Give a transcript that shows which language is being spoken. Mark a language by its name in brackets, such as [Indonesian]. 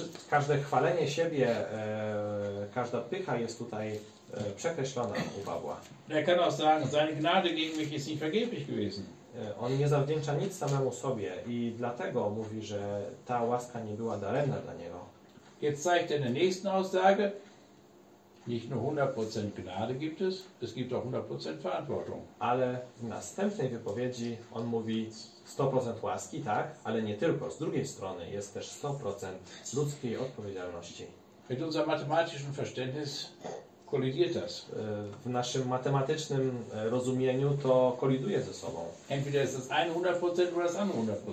[Polish] Każde chwalenie siebie, każda pycha jest tutaj przekreślona u Pawła. [German] Er kann auch sagen, seine Gnade gegen mich ist nicht vergeblich gewesen. [Polish] On nie zawdzięcza nic samemu sobie i dlatego mówi, że ta łaska nie była daremna dla niego. [German] Jetzt zeigt er in der nächsten Aussage, nicht nur 100% Gnade gibt es, es gibt auch 100% Verantwortung. [Polish] Ale w następnej wypowiedzi on mówi 100% łaski, tak, ale nie tylko. Z drugiej strony jest też 100% ludzkiej odpowiedzialności. [German] Mit unserem mathematischen Verständnis kollidiert das. [Polish] W naszym matematycznym rozumieniu to koliduje ze sobą. [German] Entweder ist das eine 100% oder das andere 100%.